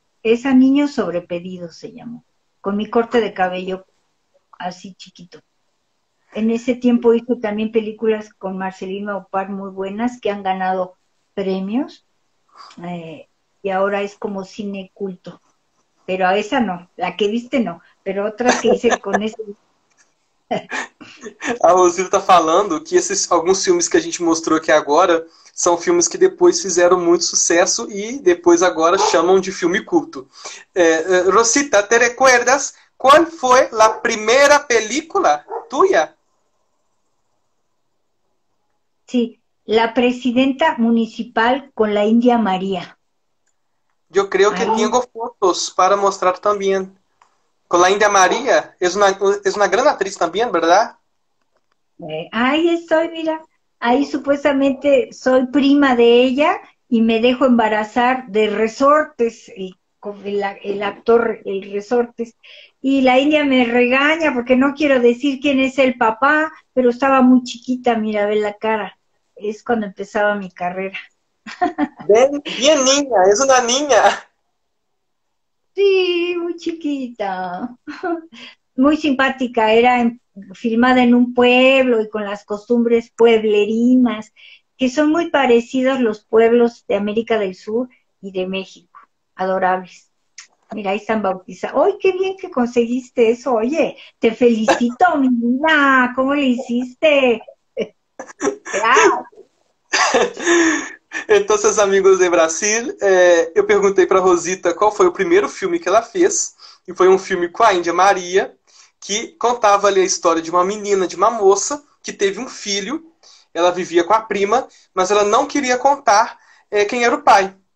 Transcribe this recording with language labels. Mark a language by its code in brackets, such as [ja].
[es] Esa Niño Sobrepedido se llamó, con mi corte de cabello así chiquito. En ese tiempo hizo también películas con Marcelino Opar muy buenas que han ganado premios, y ahora es como cine culto. Pero a esa no, la que viste no, pero otras que hice con ese. [pt] A Rosita está falando que esses alguns filmes que a gente mostrou aqui agora são filmes que depois fizeram muito sucesso e depois agora chamam de filme culto. Rosita, [es] te recuerdas [pt] qual foi a primeira película tuya? [es] Sim, sí, La Presidenta Municipal con la India María. [pt] Eu creio que tenho fotos para mostrar também. Com a [es] India María, es una gran actriz también, ¿verdad? Ahí estoy, mira. Ahí supuestamente soy prima de ella y me dejo embarazar de Resortes, el actor, el Resortes. Y la India me regaña porque no quiero decir quién es el papá, pero estaba muy chiquita, mira, ve la cara. Es cuando empezaba mi carrera. Bien niña, es una niña. Sí, muy chiquita, muy simpática, era filmada en un pueblo y con las costumbres pueblerinas, que son muy parecidos los pueblos de América del Sur y de México, adorables. Mira, ahí están bautizados. ¡Ay, qué bien que conseguiste eso! Oye, te felicito, mi niña, ¿cómo le hiciste? [pt] Então, seus amigos de Brasil, eu perguntei para Rosita qual foi o primeiro filme que ela fez, e foi um filme com a Índia María, que contava ali a história de uma menina, de uma moça, que teve um filho, ela vivia com a prima, mas ela não queria contar quem era o pai.